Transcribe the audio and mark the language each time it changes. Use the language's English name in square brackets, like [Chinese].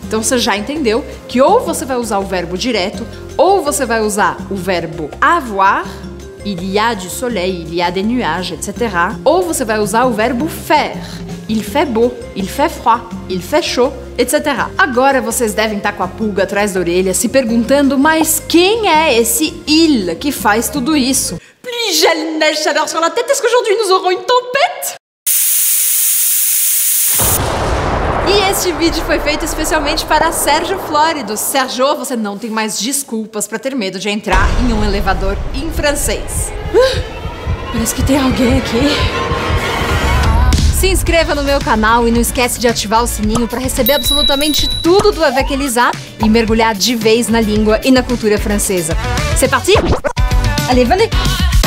[Portuguese] Então você já entendeu que ou você vai usar o verbo direto, ou você vai usar o verbo avoir, [French] il y a du soleil, il y a des nuages, [Portuguese] etc. Ou você vai usar o verbo faire, [French] il fait beau, il fait froid, il fait chaud, [Portuguese] etc. Agora vocês devem estar com a pulga atrás da orelha se perguntando, mas quem é esse il que faz tudo isso? [French] Plus gel, neige, chaleur sur la tête, est-ce qu'aujourd'hui nous aurons une tempête? [Portuguese] E este vídeo foi feito especialmente para Sérgio Flórido. Sérgio, você não tem mais desculpas para ter medo de entrar em um elevador em francês. Parece que tem alguém aqui. Se inscreva no meu canal e não esquece de ativar o sininho para receber absolutamente tudo do Avec Elisa e mergulhar de vez na língua e na cultura francesa. [French] C'est parti? Allez, venez!